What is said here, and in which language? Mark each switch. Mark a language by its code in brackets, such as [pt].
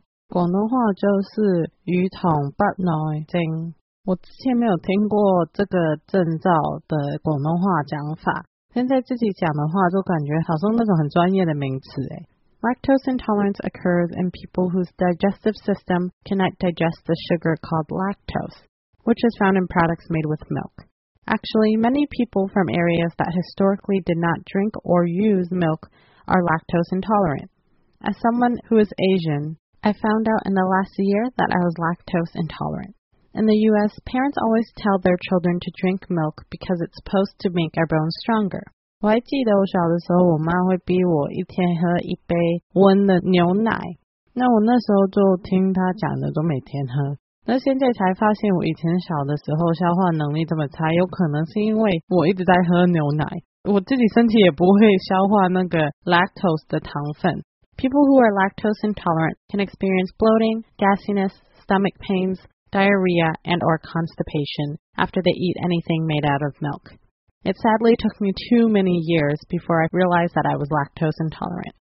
[zh] 广东话就是乳糖不耐症。我之前没有听过这个证照的广东话讲法，现在自己讲的话就感觉好像那种很专业的名词耶。 [en] Lactose intolerance occurs in people whose digestive system cannot digest the sugar called lactose, which is found in products made with milk. Actually, many people from areas that historically did not drink or use milk are lactose intolerant. As someone who is Asian, I found out in the last year that I was lactose intolerant. In the U.S., parents always tell their children to drink milk because it's supposed to make our bones stronger. [zh] 我还记得我小的时候，我妈会逼我一天喝一杯温的牛奶。那我那时候就听她讲的，都每天喝。那现在才发现，我以前小的时候消化能力这么差，有可能是因为我一直在喝牛奶。我自己身体也不会消化那个 lactose 的糖分。 [en] People who are lactose intolerant can experience bloating, gassiness, stomach pains,diarrhea, and or constipation after they eat anything made out of milk. It sadly took me too many years before I realized that I was lactose intolerant.